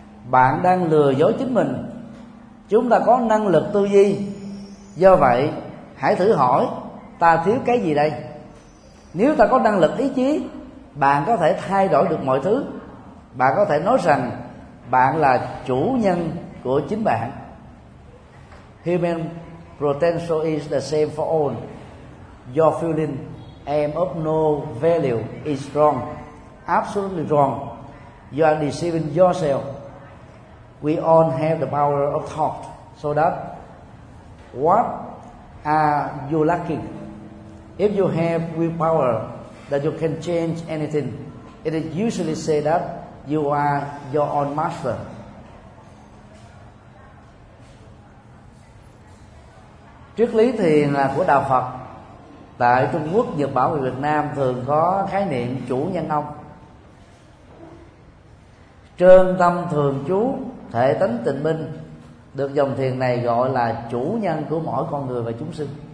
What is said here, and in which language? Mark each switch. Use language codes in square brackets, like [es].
[vi] Bạn đang lừa dối chính mình. Chúng ta có năng lực tư duy, do vậy hãy thử hỏi ta thiếu cái gì đây. Nếu ta có năng lực ý chí, bạn có thể thay đổi được mọi thứ. Bạn có thể nói rằng bạn là chủ nhân của chính bạn. [en] Human potential is the same for all. Your feeling I am of no value is wrong, absolutely wrong. You are deceiving yourself. We all have the power of thought, so that what are you lacking? If you have willpower that you can change anything, it is usually said that you are your own master. [vi] Triết lý thiền là của Đạo Phật. Tại Trung Quốc, Nhật Bản và Việt Nam thường có khái niệm chủ nhân ông. Trơn tâm thường chú, thể tánh tịnh minh, được dòng thiền này gọi là chủ nhân của mỗi con người và chúng sinh.